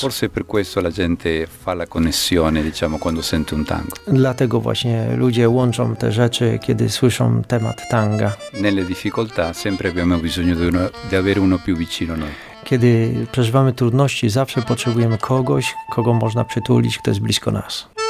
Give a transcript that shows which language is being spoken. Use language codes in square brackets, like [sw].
[it] Forse per questo la gente fa la connessione, diciamo, quando sente un tango. [pl] Dlatego właśnie ludzie łączą te rzeczy, kiedy słyszą temat tanga. [it] Nelle difficoltà sempre abbiamo bisogno di una di avere uno più vicino a noi. [pl] Kiedy przeżywamy trudności, zawsze potrzebujemy kogoś, kogo można przytulić, kto jest blisko nas.